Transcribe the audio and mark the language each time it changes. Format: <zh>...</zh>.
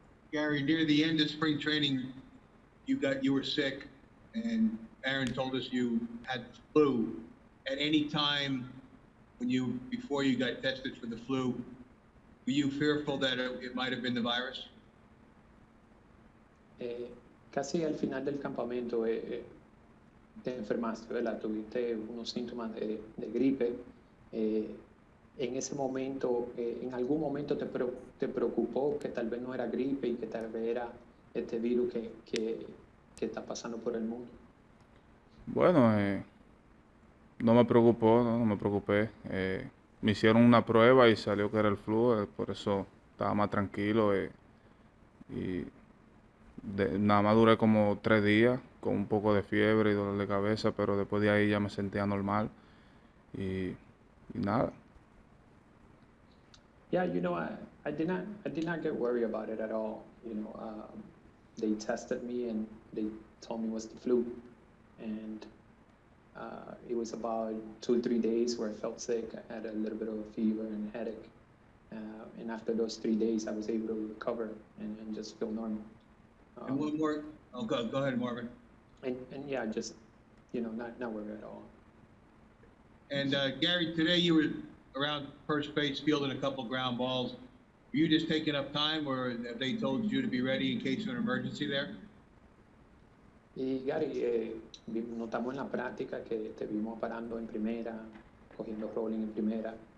<en>Gary, near the end of spring training, you were sick, and Aaron told us you had flu. At any time before you got tested for the flu, were you fearful that it might have been the virus?</en> <es>Casi al final del campamento te enfermaste, ¿verdad? Tuviste unos síntomas de gripe. En ese momento, en algún momento te preocupó que tal vez no era gripe y que tal vez era este virus que está pasando por el mundo. Bueno, no me preocupó, no me preocupé. Me hicieron una prueba y salió que era el flu, por eso estaba más tranquilo. Nada más duré como 3 días con un poco de fiebre y dolor de cabeza, pero después de ahí ya me sentía normal y nada.</es> <en>Yeah, you know, I did not get worried about it at all. You know, they tested me and they told me it was the flu, and it was about 2 or 3 days where I felt sick. I had a little bit of a fever and headache, and after those 3 days, I was able to recover and just feel normal. And one more. Oh, go ahead, Marvin. And yeah, just, you know, not worried at all. And Gary, today you were around first base fielding a couple ground balls. Were you just taking up time, or have they told you to be ready in case of an emergency there?</en> <es>Y Gary, notamos en la práctica que te vimos parando en primera, cogiendo rolling en primera.</es>